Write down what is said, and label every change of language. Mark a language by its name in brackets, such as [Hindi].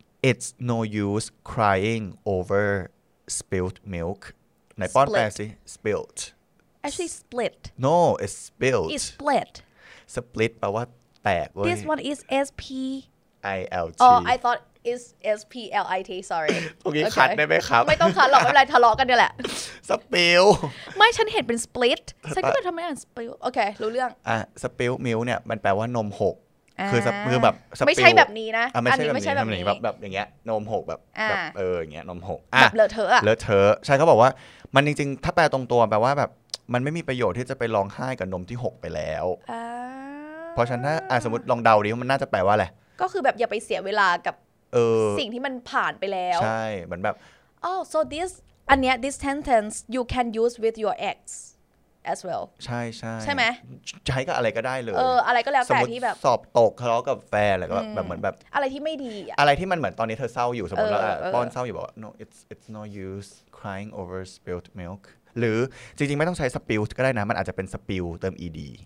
[English] It's no use crying over spilled milk. [Thai] ไหนป้อนแปลสิ spilled. [English] Actually split. No, it's spilled. It's split. [Thai] Split แปลว่าแตก [English] This one is S-P-I-L-T. Oh, I thought it's S-P-L-I-T. Sorry. [Thai] พวกนี้คัดได้ไหมครับ ไม่ต้องคัดหรอกไม่เป็นไรทะเลาะกันเดี๋ยวแหละ [English] Spill. [Thai] ไม่ฉันเห็นเป็น split. ฉันก็เลยทำให้อ่าน spill. โอเครู้เรื่อง อ่ะ spilled milk เนี่ยมันแปลว่านมหกคือแบบ ไม่ใช่แบบนี้นะ อันนี้ไม่ใช่แบบนี้แบบอย่างเงี้ยนมหกแบบเอออย่างเงี้ยนมหก แบบเลอะเทอะ เลอะเทอะใช่เขาบอกว่ามันจริงๆถ้าแปลตรงตัวแปลว่าแบบมันไม่มีประโยชน์ที่จะไปร้องไห้กับนมที่หกไปแล้วเพราะฉะนั้นถ้าสมมติลองเดาดิมันน่าจะแปลว่าอะไร ก็คือแบบอย่าไปเสียเวลากับสิ่งที่มันผ่านไปแล้ว ใช่เหมือนแบบ อ๋อ [English] so this [Thai] อันเนี้ย [English] this sentence you can use with your ex as well [Thai] ใช่ใช่ ใช่ไหม ใช้กับอะไรก็ได้เลย เอออะไรก็แล้วแต่ที่แบบ สอบตกทะเลาะกับแฟนอะไรก็แบบเหมือนแบบ อะไรที่ไม่ดี อะไรที่มันเหมือนตอนนี้เธอเศร้าอยู่สมมติแล้วป้อนเศร้าอยู่บอกว่า [English] no it's no use crying over spilled milk [Thai] หรือจริงๆไม่ต้องใช้ spilled ก็ได้นะมันอาจจะเป็น spill เติม ed